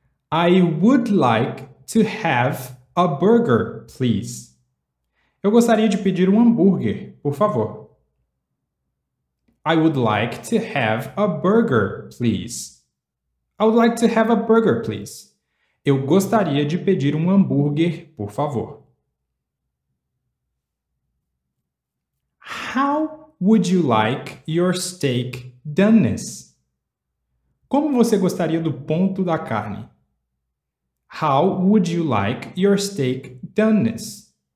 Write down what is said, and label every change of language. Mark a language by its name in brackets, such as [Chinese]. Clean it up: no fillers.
[English] I would like to have a burger, please. [Portuguese] Eu gostaria de pedir um hambúrguer, por favor. [English] I would like to have a burger, please. I would like to have a burger, please. [Portuguese] Eu gostaria de pedir um hambúrguer, por favor. [English] How would you like your steak doneness? [Portuguese] Como você gostaria do ponto da carne? [English] How would you like your steak doneness?